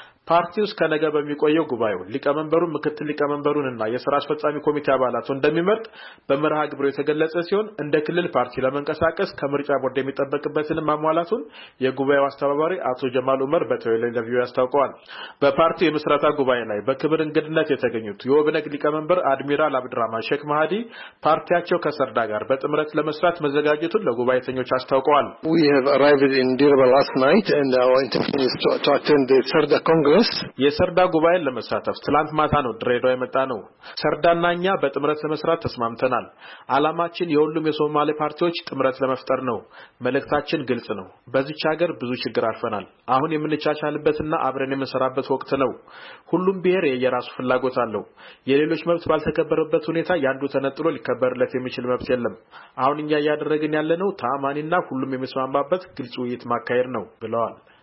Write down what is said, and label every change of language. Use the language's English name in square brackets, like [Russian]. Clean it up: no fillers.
[Amharic] ፓርቲው ከነገ በሚቆየው ጉባኤው ሊቀመንበሩን ምክትል ሊቀመንበሩንና የሥራ አስፈጻሚ ኮሚቴ አባላቱን እንደሚመርጥ በመርሃ ግብሩ የተገለጸ ሲሆን እንደ ክልል ፓርቲ ለመንቀሳቀስ ከምርጫ ቦርድ የሚጠበቅበትን ማሟላቱን የጉባኤው አስተባባሪ አቶ ጀማል ዑመር በቴሌቪዥን ኢንተርቪው አስታውቀዋል። በፓርቲው የምስረታ ጉባኤ ላይ በክብር እንግድነት የተገኙት የኦብነግ ሊቀመንበር አድሚራል አብድራማን ሼክ ማሃዲ ፓርቲያቸው ከሰርዳ ጋር በጥምረት ለመስራት መዘጋጀቱን ለጉባኤተኞች አስታውቀዋል። [English] We have arrived in Durban last night and our intention is to attend the Sardar Congress. [Amharic] የሰርዳ ጉባኤ ለመሳተፍ ትላንት ማታ ነው ድሬዳዋ የመጣነው። ሰርዳናኛ በጥምረት ለመስራት ተስማምተናል። አላማችን የሁሉም የሶማሌ ፓርቲዎች ጥምረት ለመፍጠር ነው። መልእክታችን ግልጽ ነው። በዚች ሀገር ብዙ ችግር አልፈናል። አሁን የምንቻቻልበትና አብረን የምንሰራበት ወቅት ነው። ሁሉም ብሔር የየራሱ ፍላጎት አለው። የሌሎች መብት ባልተከበረበት ሁኔታ ያንዱ ተነጥሎ ሊከበርለት የሚችል መብት የለም። አሁን እኛ ያደረግን ያለነው ታማኒና ሁሉም የሚስማማበት ግልጽ ውይይት ማካሄድ ነው ብለዋል።